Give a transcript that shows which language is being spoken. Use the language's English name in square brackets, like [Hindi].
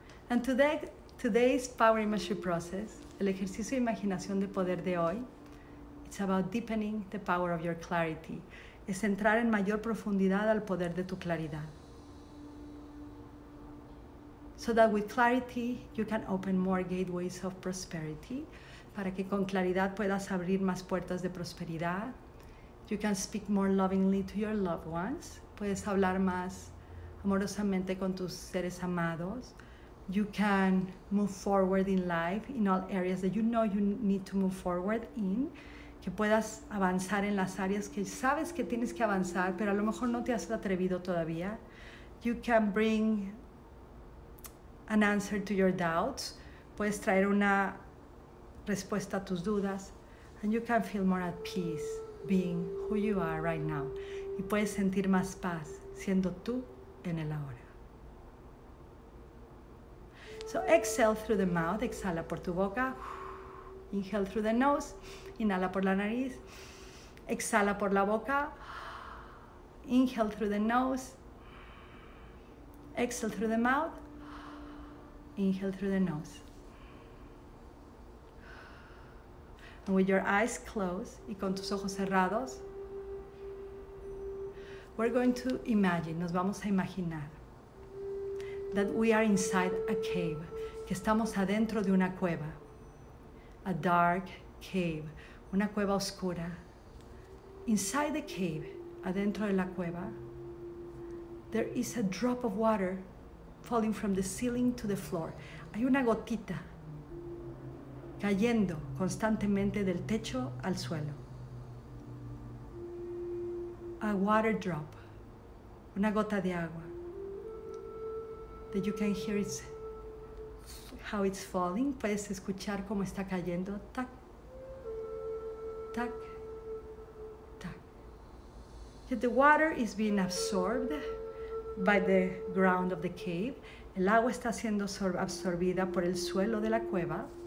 [English] And today's Power Imagery Process, [Spanish] el ejercicio de imaginación de poder de hoy, [English] it's about deepening the power of your clarity. [Spanish] Es entrar en mayor profundidad al poder de tu claridad. [English] So that with clarity, you can open more gateways of prosperity. [Spanish] Para que con claridad puedas abrir más puertas de prosperidad. [English] You can speak more lovingly to your loved ones. [Spanish] Puedes hablar más amorosamente con tus seres amados. [English] you can move forward in life in all areas that you know you need to move forward in, [Spanish] que puedas avanzar en las áreas que sabes que tienes que avanzar, pero a lo mejor no te has atrevido todavía. [English] You can bring an answer to your doubts. [Spanish] Puedes traer una respuesta a tus dudas. [English] And you can feel more at peace being who you are right now. [Spanish] Y puedes sentir más paz siendo tú en el ahora. [English] So exhale through the mouth. [Spanish] Exhala por tu boca. [English] Inhale through the nose. [Spanish] Inhala por la nariz. Exhala por la boca. [English] Inhale through the nose. Exhale through the mouth. Inhale through the nose. And with your eyes closed, [Spanish] y con tus ojos cerrados, [English] we're going to imagine, [Spanish] nos vamos a imaginar, [English] that we are inside a cave, [Spanish] que estamos adentro de una cueva, [English] a dark cave, [Spanish] una cueva oscura. [English] Inside the cave, [Spanish] adentro de la cueva, [English] there is a drop of water falling from the ceiling to the floor. [Spanish] Hay una gotita cayendo constantemente del techo al suelo. [English] A water drop, [Spanish] una gota de agua. [English] That you can hear it's how it's falling. [Spanish] Puedes escuchar cómo está cayendo. Tac, tac, tac. [English] Yet the water is being absorbed by the ground of the cave. [Spanish] El agua está siendo absorbida por el suelo de la cueva.